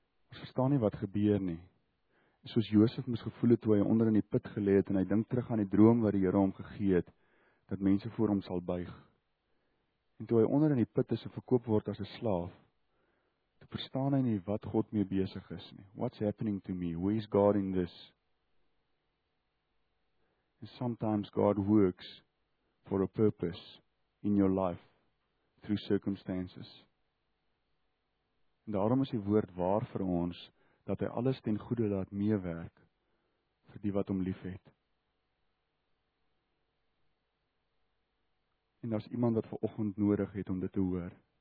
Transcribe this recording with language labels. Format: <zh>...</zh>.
<af>Ons verstaan nie wat gebeur nie. En soos Josef moes gevoel het toe hy onder in die put gelê het, en hy dink terug aan die droom wat die Here hom gegee het, dat mense voor hom sal buig. En toe hy onder in die put is en verkoop word as 'n slaaf, toe verstaan hy nie wat God mee besig is nie.</af> <en>What's happening to me? Where is God in this? And sometimes God works for a purpose in your life through circumstances.</en> <af>En daarom is die woord waar vir ons, dat hy alles ten goede laat meewerk vir die wat hom lief het. En daar's iemand wat ver oggend nodig het om dit te hoor.</af>